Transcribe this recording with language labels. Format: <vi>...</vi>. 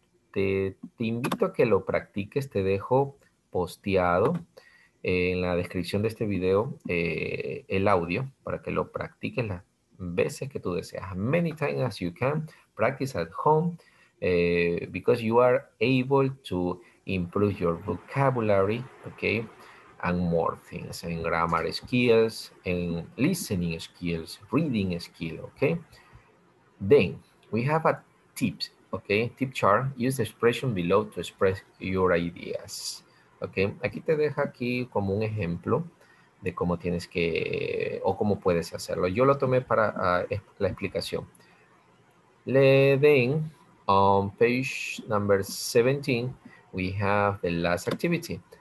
<es>Te invito a que lo practiques, te dejo posteado en la descripción de este video, el audio, para que lo practiques las veces que tú deseas.</es> <en>Many times as you can, practice at home, because you are able to improve your vocabulary, okay, and more things, in grammar skills, in listening skills, reading skills, okay. Then, we have a tips, okay, tip chart, use the expression below to express your ideas.</en> <es>Okay, aquí te dejo aquí como un ejemplo de cómo tienes que, o cómo puedes hacerlo. Yo lo tomé para la explicación.</es> <en>Le den, on page number 17, we have the last activity.</en>